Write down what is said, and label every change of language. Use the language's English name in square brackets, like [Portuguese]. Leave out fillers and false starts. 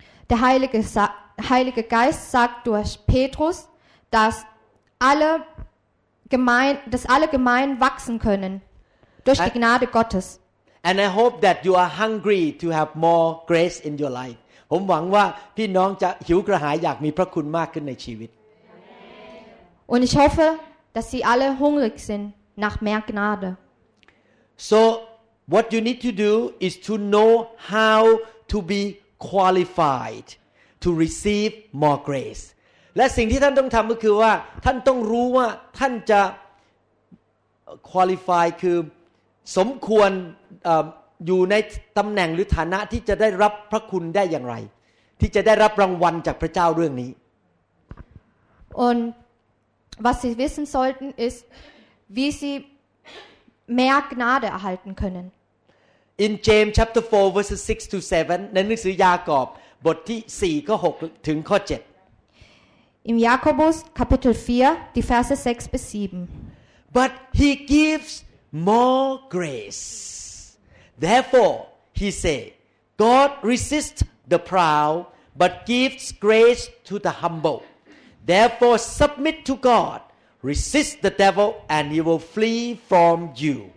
[German] Der Heilige Geist sagt durch Petrus, dass alle Gemeinden wachsen können durch die Gnade Gottes. [English] And I hope that you are hungry to have more grace in your life. [Thai] ผมหวังว่าพี่น้องจะหิวกระหายอยากมีพระคุณมากขึ้นในชีวิต [German] Und ich hoffe, dass sie alle hungrig sind nach mehr Gnade. [English] So, what you need to do is to know how to be qualified to receive more grace. [Thai] และสิ่งที่ท่านต้องทำก็คือว่าท่านต้องรู้ว่าท่านจะ qualify คือสมควรอยู่ในตำแหน่งหรือฐานะที่จะได้รับพระคุณได้อย่างไรที่จะได้รับรางวัลจากพระเจ้าเรื่องนี้ [German] UndWas Sie wissen sollten, ist, wie Sie mehr Gnade erhalten können. [English] In James chapter 4, verses 6 to 7, [Thai] ในหนังสือยากอบบทที่4ข้อ6ถึงข้อ7. [German] Im Jakobus Kapitel 4, die Verse 6 bis 7. [English] But He gives more grace. Therefore, He say, God resists the proud, but gives grace to the humble. Therefore, submit to God, resist the devil, and he will flee from you.